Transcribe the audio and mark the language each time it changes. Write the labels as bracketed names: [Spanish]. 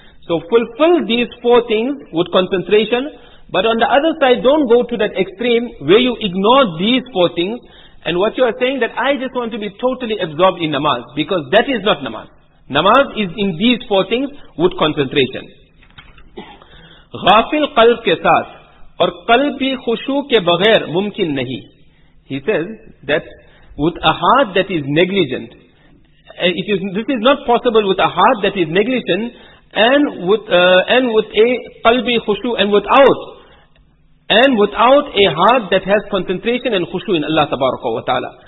[English] So fulfill these four things with concentration. But on the other side, don't go to that extreme where you ignore these four things. And what you are saying that I just want to be totally absorbed in namaz. Because that is not namaz. Namaz is in these four things with concentration. [Urdu] غافل قلب کے ساتھ اور قلب بھی خشوع کے بغیر ممکن نہیں. [English] He says that with a heart that is negligent, this is not possible with a heart that is negligent and with a qalbi khushu and without a heart that has concentration and khushu in Allah tabaraka wa ta'ala.